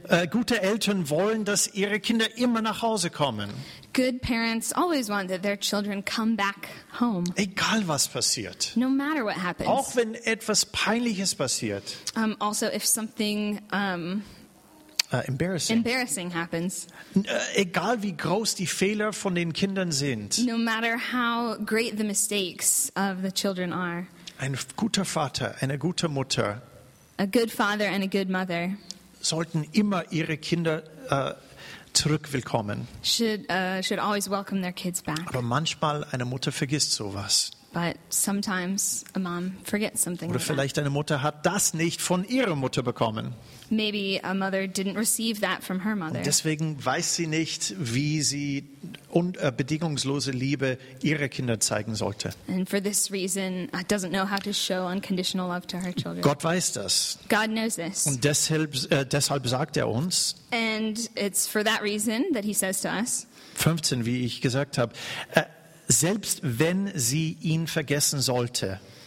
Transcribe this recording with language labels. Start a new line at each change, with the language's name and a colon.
German: Gute Eltern wollen, dass ihre Kinder immer nach Hause kommen.
English: Good parents always want that their children come back home.
German: Egal was passiert.
English: No matter what happens.
German: Auch wenn etwas Peinliches passiert.
English: Also if something embarrassing happens.
German: Egal wie groß die Fehler von den Kindern sind.
English: No matter how great the mistakes of the children are.
German: Ein guter Vater, eine gute Mutter.
English: A good father and a good mother.
German: Sollten immer ihre Kinder zurück willkommen.
English: Should always welcome their kids back.
German: Aber manchmal eine Mutter vergisst sowas.
English: But sometimes a mom forgets something.
German: Oder vielleicht eine Mutter hat das nicht von ihrer Mutter bekommen.
English: Maybe a mother didn't receive that from her mother.
German: Und deswegen weiß sie nicht, wie sie bedingungslose Liebe ihrer Kinder zeigen sollte.
English: And for this reason, doesn't know how to show unconditional love to her children.
German: Gott weiß das.
English: God knows this.
German: Und deshalb sagt er uns.
English: And it's for that reason that he says to us.
German: 15, wie ich gesagt habe. Selbst wenn sie ihn vergessen sollte.